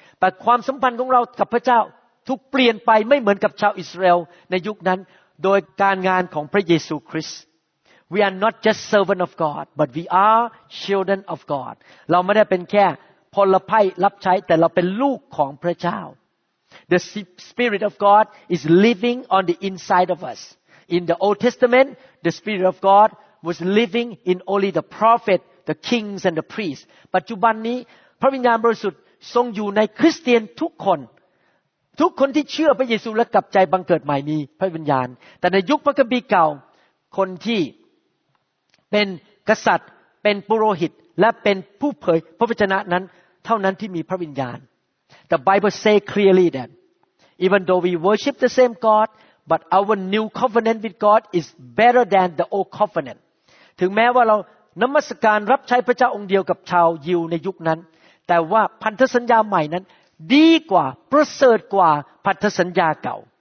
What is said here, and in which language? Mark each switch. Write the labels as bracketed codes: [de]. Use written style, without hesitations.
[th] แต่ความสัมพันธ์ของเรากับพระเจ้าถูกเปลี่ยนไปไม่เหมือนกับชาวอิสราเอลในยุคนั้นโดยการงานของพระเยซูคริสต์ [en] We are not just servant of God, but we are children of God. [th] เราไม่ได้เป็นแค่พลไพ่รับใช้แต่เราเป็นลูกของพระเจ้า [en] The Spirit of God is living on the inside of us. In the Old Testament, the Spirit of God was living in only the prophetThe kings and the priests. [th] ปัจจุบันนี้พระวิญญาณบริสุทธิ์ทรงอยู่ในคริสเตียนทุกคนทุกคนที่เชื่อพระเยซูและกลับใจบังเกิดใหม่มีพระวิญญาณแต่ในยุคพระคัมภีร์เก่าคนที่ เป็นกษัตริย์เป็นปุโรหิตและเป็นผู้เผยพระวจนะนั้นเท่านั้นที่มีพระวิญญาณ [en] The Bible say clearly that even though we worship the same God but our new covenant with God is better than the old covenant [th] ถึงแม้ว่าเรานมัสการรับใช้พระเจ้าองค์เดียวกับชาวยิวในยุคนั้นแต่ว่าพันธสัญญาใหม่นั้นดีกว่าประเสริฐกว่าพันธสัญญาเก่า